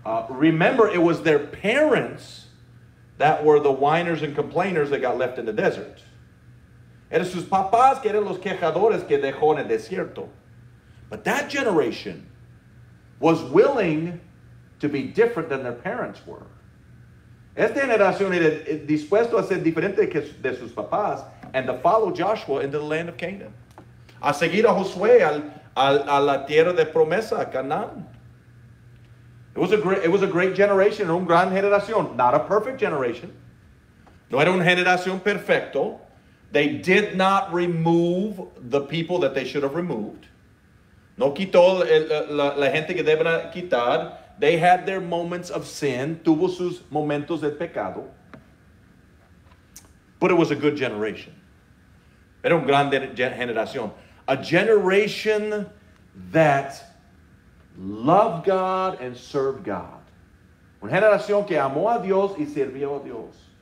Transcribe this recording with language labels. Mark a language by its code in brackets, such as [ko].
[en] Remember, it was their parents that were the whiners and complainers that got left in the desert. [es] Eran sus papás que eran los quejadores que dejó en el desierto. [en] But that generation was willing to be different than their parents were. [es] Esta generación era dispuesto a ser diferente de sus papás [en] and to follow Joshua into the land of Canaan. [es] A seguir a Josué a la tierra de promesa, Canaan. [en] It was a great generation, [es] era una gran generación, [en] not a perfect generation. [es] No era una generación perfecto. [en] They did not remove the people that they should have removed. [es] No quitó la gente que deben quitar. [en] They had their moments of sin, [es] tuvo sus momentos de pecado, [en] but it was a good generation. [es] Era una gran generación. [en] A generation that loved God and served God. [es] Una generación que amó a Dios y sirvió a Dios.